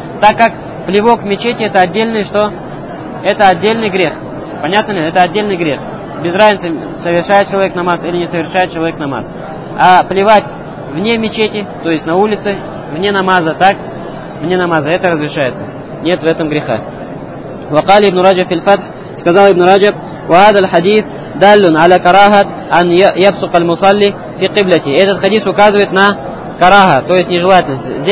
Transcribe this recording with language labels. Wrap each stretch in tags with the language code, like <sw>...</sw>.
<ru>так как плевок в мечети это отдельный что? Это отдельный грех. Понятно ли? Это отдельный грех. Без разницы, совершает человек намаз или не совершает человек намаз. А плевать вне мечети, то есть на улице, вне намаза, так? Вне намаза, это разрешается. Нет в этом греха.</ru> <ar>وقال ابن رجب في الفتح</ar> <ru>сказал</ru> <ar>ابن رجب وهذا الحديث دال على كراهة أن يبصق المصلي في قبلته.</ar> <ru>Этот хадис указывает на караха, то есть нежелательность.</ru>